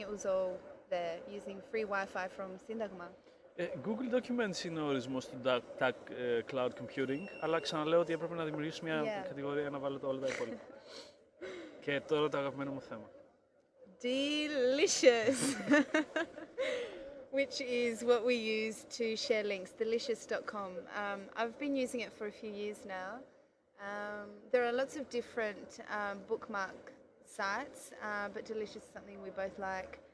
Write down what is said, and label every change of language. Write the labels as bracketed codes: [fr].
[en] It was all there using free Wi-Fi from Syntagma. [el] Google Documents είναι ο ορισμός του cloud computing, αλλά ξαναλέω ότι έπρεπε να δημιουργήσω μια κατηγορία να βάλω όλα τα υπόλοιπα. Και τώρα το αγαπημένο μου θέμα. D. [en] Delicious, which is what we use to share links, delicious.com. I've been using it for a few years now. There are lots of different bookmark sites, but Delicious is something we both like.